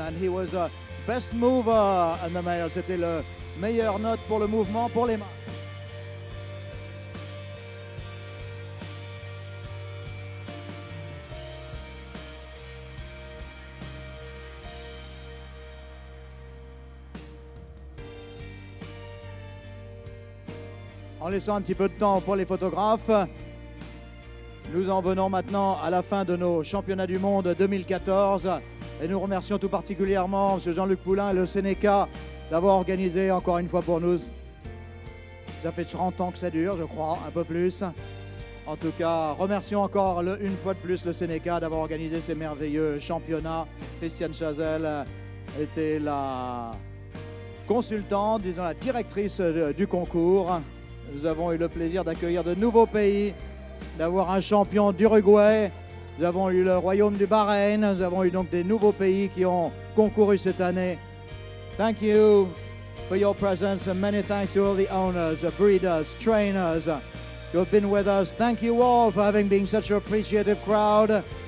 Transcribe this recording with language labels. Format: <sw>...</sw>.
<en>And he was a best mover in the mail.</en> <fr>C'était le meilleur note pour le mouvement, pour les mains. En laissant un petit peu de temps pour les photographes, nous en venons maintenant à la fin de nos championnats du monde 2014. Et nous remercions tout particulièrement M. Jean-Luc Poulain et le Sénéca d'avoir organisé encore une fois pour nous. Ça fait 30 ans que ça dure, je crois, un peu plus. En tout cas, remercions encore une fois de plus le Sénéca d'avoir organisé ces merveilleux championnats. Christiane Chazelle était la consultante, disons la directrice du concours. Nous avons eu le plaisir d'accueillir de nouveaux pays, d'avoir un champion d'Uruguay. Nous avons eu le royaume du Bahreïn. Nous avons eu donc des nouveaux pays qui ont concouru cette année.</fr> <en>Thank you for your presence and many thanks to all the owners, breeders, trainers who have been with us. Thank you all for having been such an appreciative crowd.</en>